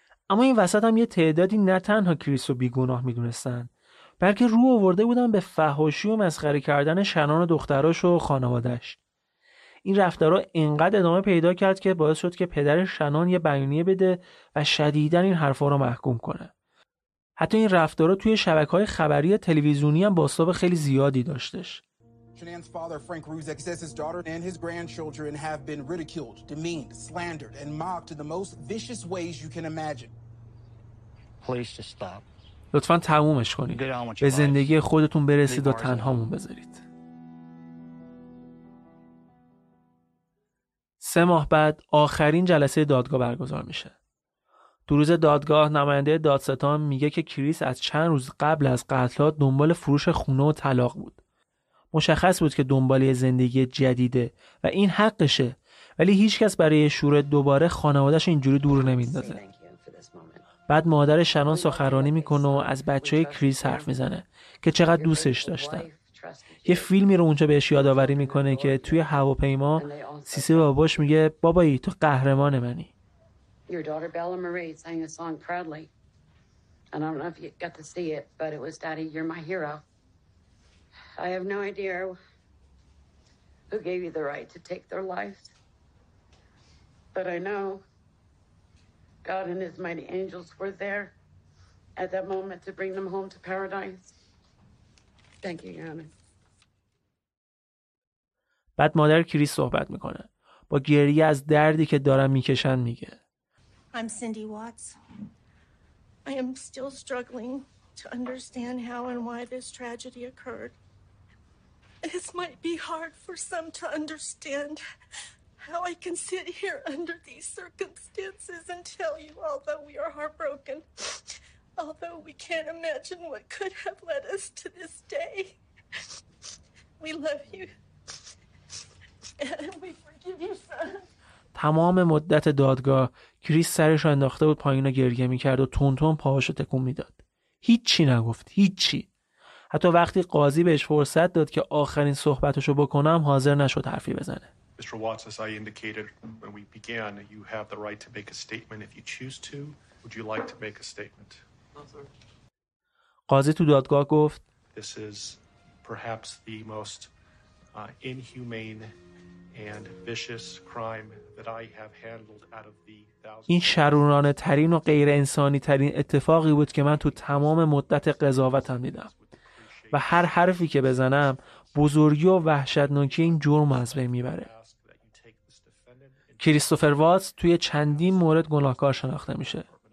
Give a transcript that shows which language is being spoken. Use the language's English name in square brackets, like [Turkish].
[Persian] اما این وسط هم یه تعدادی نه تنها کریس رو بیگناه میدونستن، بلکه رو آورده بودن به فحاشی و مسخره کردن شنان و دختراش و خانوادش. این رفتارها اینقدر ادامه پیدا کرد که باعث شد که پدر شنان یه بیانیه بده و شدیداً این حرفا رو محکوم کنه. حتی این رفتارها توی شبکه‌های خبری تلویزیونی هم بازتاب خیلی زیادی داشتش. [English] Shanann's father Frank Ruzek says his daughter and his grandchildren have been ridiculed, demeaned, slandered and mocked in the most vicious ways you can imagine. Please just stop. [Persian] لطفاً تمومش کنید. به زندگی خودتون برسید و تنهامون بذارید. سه ماه بعد آخرین جلسه دادگاه برگزار میشه. در روز دادگاه نماینده دادستان میگه که کریس از چند روز قبل از قتل‌ها دنبال فروش خونه و طلاق بود. مشخص بود که دنبال یه زندگی جدیده و این حقشه، ولی هیچ کس برای شروع دوباره خانوادهش اینجوری دور نمیندازه. بعد مادر شنان سخنرانی میکنه و از بچه‌های کریس حرف میزنه که چقدر دوستش داشتن. یه فیلمی رو اونجا بهش یادآوری میکنه که توی هواپیما سیسی باباش میگه بابایی تو قهرمان منی. [English] Your daughter Bella Marie sang a song proudly. And I don't know if you got to see it, but it was Daddy, you're my hero. I have no idea who gave you the right to take their lives. But I know God and his mighty angels were there at that moment to bring them home to paradise. Thank you, Your Honor. [Persian] بعد مادر کریس صحبت میکنه. با گریه از دردی که دارن میکشن میگه. [English] I'm Cindy Watts. I am still struggling to understand how and why this tragedy occurred. This might be hard for some to understand how I can sit here under these circumstances and tell you, although we are heartbroken, although we can't imagine what could have led us to this day, we love you. [Persian] تمام مدت دادگاه کریس سرش رو انداخته بود پایین و گریه میکرد و تون تون پاهاش رو تکون میداد. هیچی نگفت، هیچی. حتی وقتی قاضی بهش فرصت داد که آخرین صحبتشو بکنم حاضر نشد حرفی بزنه. [English] Mr. Watts, as I indicated when we began, you have the right to make a statement if you choose to. Would you like to make a statement? [Persian] قاضی تو دادگاه گفت [English] This is perhaps the most inhumane and vicious crime that I have handled out of the thousands. [Persian] این شرورانه ترین و غیر انسانی ترین اتفاقی بود که من تو تمام مدت قضاوتم دیدم و هر حرفی که بزنم بزرگی و وحشتناکی این جرم از بین میبره. کریستوفر واتس توی چندین مورد گناهکار شناخته میشه.